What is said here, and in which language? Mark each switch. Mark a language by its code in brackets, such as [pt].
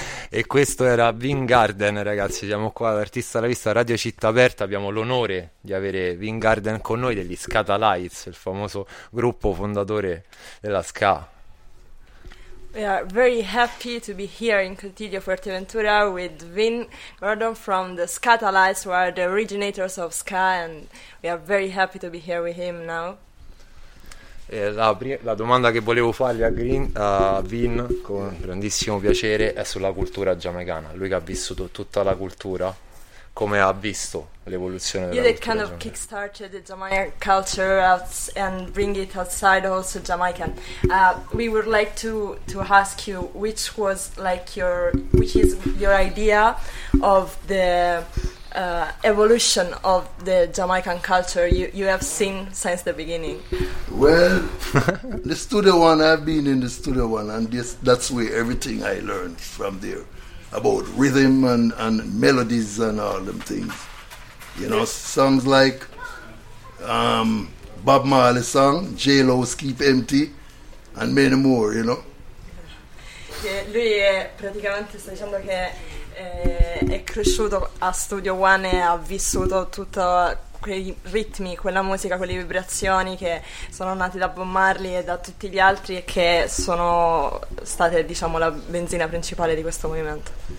[it] E questo era Vin Gordon, ragazzi, siamo qua l'artista alla vista, Radio Città Aperta, abbiamo l'onore di avere Vin Gordon con noi degli Scatalites, il famoso gruppo fondatore della ska. [en] We are very happy to be here in Cotillo Fuerteventura with Vin Gordon from the Scatalites, who are the originators of ska, and we are very happy to be here with him now. [it] La domanda che volevo fargli a Green, a Vin, con grandissimo piacere, è sulla cultura giamaicana. Lui che ha vissuto tutta la cultura, come ha visto l'evoluzione della cultura giamaicana? [en] You kind of kickstarted the Jamaican culture and bring it outside also Jamaican. We would like to ask you which was like your, which is your idea of the evolution of the Jamaican culture you have seen since the beginning. Well, the Studio One, I've been in the Studio One, and this, that's where everything I learned from there about rhythm and melodies and all them things. You know, songs like Bob Marley song, J-Lo's Keep Empty, and many more, you know. [it] Lui è praticamente, sta dicendo che è cresciuto a Studio One e ha vissuto tutti quei ritmi, quella musica, quelle vibrazioni che sono nate da Bob Marley e da tutti gli altri e che sono state, diciamo, la benzina principale di questo movimento.